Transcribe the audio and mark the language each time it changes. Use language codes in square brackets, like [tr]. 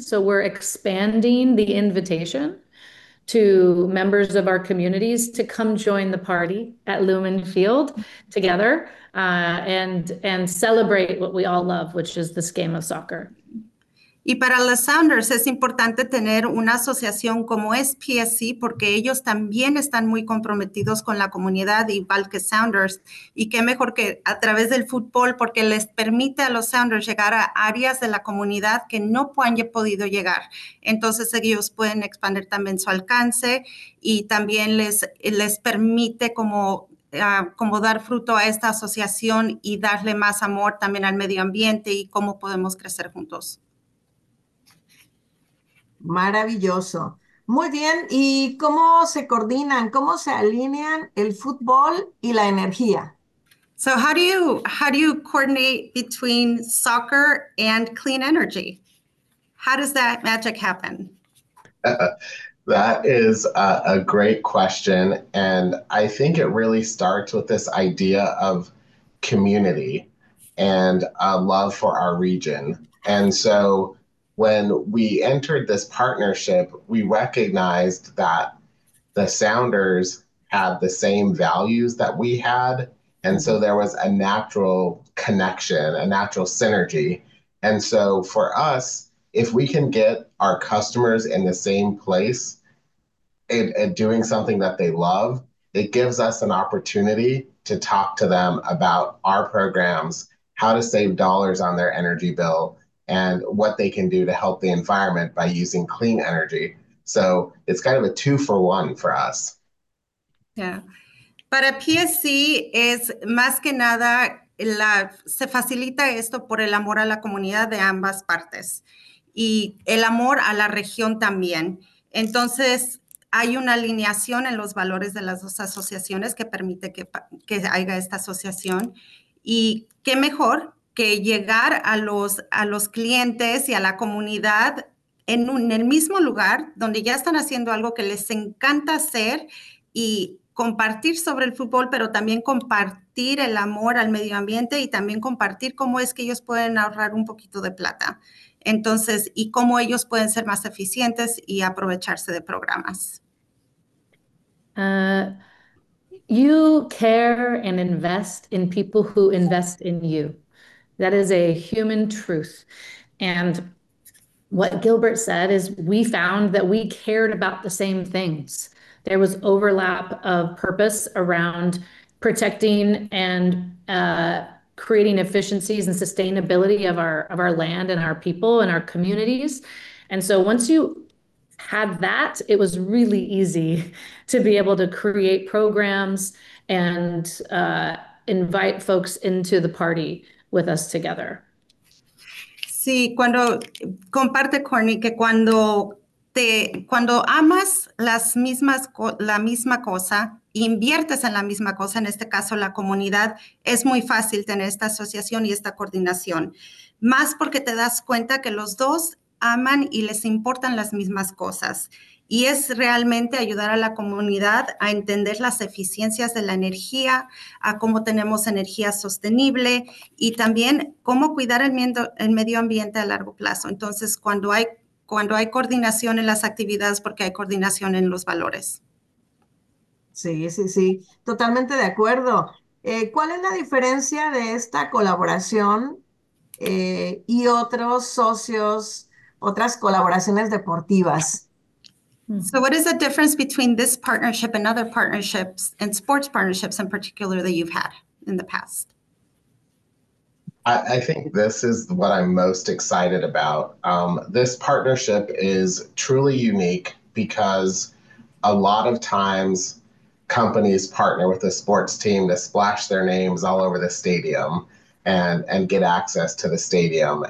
[en] So we're expanding the invitation to members of our communities to come join the party at Lumen Field together, and celebrate what we all love, which is this game of soccer. [es] Y para los Sounders es importante tener una asociación como es PSC porque ellos también están muy comprometidos con la comunidad, igual que Sounders. Y qué mejor que a través del fútbol, porque les permite a los Sounders llegar a áreas de la comunidad que no han podido llegar. Entonces ellos pueden expandir también su alcance y también les permite como dar fruto a esta asociación y darle más amor también al medio ambiente y cómo podemos crecer juntos. Maravilloso. Muy bien. ¿Y cómo se coordinan? ¿Cómo se alinean el fútbol y la energía? [en] So how do you coordinate between soccer and clean energy? How does that magic happen? That is a great question. And I think it really starts with this idea of community and love for our region. And so when we entered this partnership, we recognized that the Sounders had the same values that we had. And so there was a natural connection, a natural synergy. And so for us, if we can get our customers in the same place and doing something that they love, it gives us an opportunity to talk to them about our programs, how to save dollars on their energy bill, and what they can do to help the environment by using clean energy. So it's kind of a two for one for us. [es] Para PSC es más que nada, se facilita esto por el amor a la comunidad de ambas partes y el amor a la región también. Entonces, hay una alineación en los valores de las dos asociaciones que permite que haya esta asociación. Y qué mejor que llegar a los clientes y a la comunidad en el mismo lugar donde ya están haciendo algo que les encanta hacer y compartir sobre el fútbol, pero también compartir el amor al medio ambiente y también compartir cómo es que ellos pueden ahorrar un poquito de plata. Entonces, y cómo ellos pueden ser más eficientes y aprovecharse de programas. [en] You care and invest in people who invest in you. That is a human truth. And what Gilbert said is we found that we cared about the same things. there was overlap of purpose around protecting and creating efficiencies and sustainability of our land and our people and our communities. And so once you had that, it was really easy to be able to create programs and invite folks into the party with us together. [es] Sí, cuando comparte Courtney que cuando amas la misma cosa, inviertes en la misma cosa, en este caso la comunidad, es muy fácil tener esta asociación y esta coordinación. Más porque te das cuenta que los dos aman y les importan las mismas cosas. Y es realmente ayudar a la comunidad a entender las eficiencias de la energía, a cómo tenemos energía sostenible y también cómo cuidar el medio ambiente a largo plazo. Entonces, cuando hay coordinación en las actividades, porque hay coordinación en los valores. Sí, totalmente de acuerdo. ¿Cuál es la diferencia de esta colaboración y otros socios, otras colaboraciones deportivas? [en] So what is the difference between this partnership and other partnerships and sports partnerships in particular that you've had in the past? I think this is what I'm most excited about. This partnership is truly unique because a lot of times companies partner with a sports team to splash their names all over the stadium and get access to the stadium.